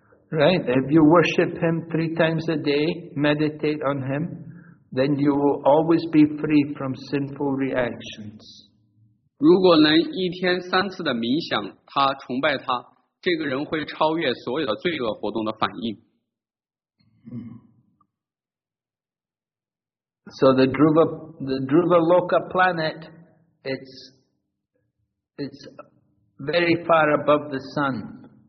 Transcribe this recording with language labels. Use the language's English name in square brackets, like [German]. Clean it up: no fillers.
[English] Right, if you worship him three times a day, meditate on him, then you will always be free from sinful reactions. [Chinese] 如果能一天三次的冥想他崇拜他这个人会超越所有的罪恶活动的反应。 [English] So the Dhruva Loka planet, it's very far above the sun.